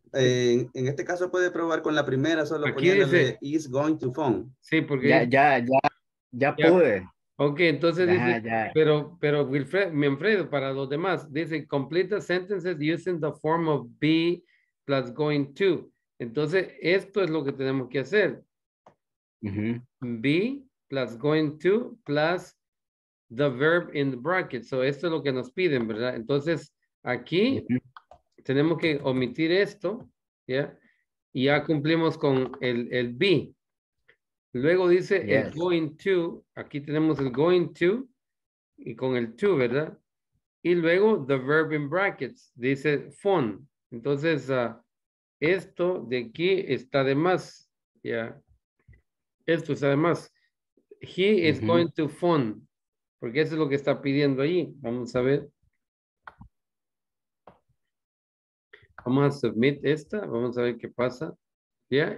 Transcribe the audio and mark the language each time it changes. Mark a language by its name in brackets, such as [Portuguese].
[Spanish] En este caso puede probar con la primera solo poniéndole [English] is going to phone. [Spanish] Sí, porque ya pude. Ok, entonces dice, pero Wilfred, me enfredo para los demás. Dice [English] complete the sentences using the form of be plus going to. [Spanish] Entonces esto es lo que tenemos que hacer. Mm-hmm. [English] Be plus going to plus the verb in the bracket. [Spanish] So esto es lo que nos piden, ¿verdad? Entonces aquí tenemos que omitir esto, ¿ya? Y ya cumplimos con el be. Luego dice el going to, aquí tenemos el going to, y con el to, ¿verdad? Y luego [English] the verb in brackets, dice phone. [Spanish] Entonces, esto de aquí está de más, ¿ya? Esto está de más. [English] He is going to phone, [Spanish] porque eso es lo que está pidiendo ahí. Vamos a ver. Vamos a submit esta, vamos a ver qué pasa. ¿Ya?